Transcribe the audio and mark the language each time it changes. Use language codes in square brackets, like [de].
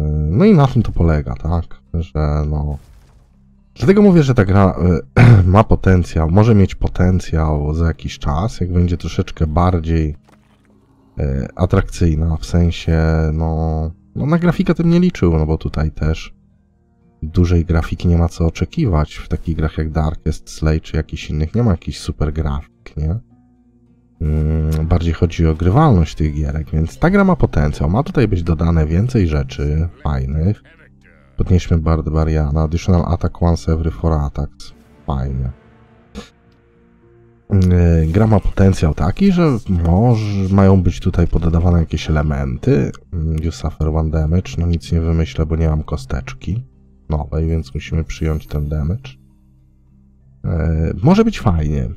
[pl] No i na tym to polega, tak? Że no... Dlatego mówię, że ta gra ma potencjał, może mieć potencjał za jakiś czas, jak będzie troszeczkę bardziej atrakcyjna, w sensie, no, no na grafikę tym nie liczył, no bo tutaj też dużej grafiki nie ma co oczekiwać w takich grach jak Darkest Slay czy jakichś innych, nie ma jakichś super grafik, nie? Bardziej chodzi o grywalność tych gierek, więc ta gra ma potencjał, ma tutaj być dodane więcej rzeczy fajnych. Podnieśmy Bard Bariana. [en] Additional attack once every 4 attacks. [pl] Fajnie. Gra ma potencjał taki, że może mają być tutaj poddawane jakieś elementy. [en] You suffer one damage. [pl] No nic nie wymyślę, bo nie mam kosteczki nowej, więc musimy przyjąć ten damage. Może być fajnie.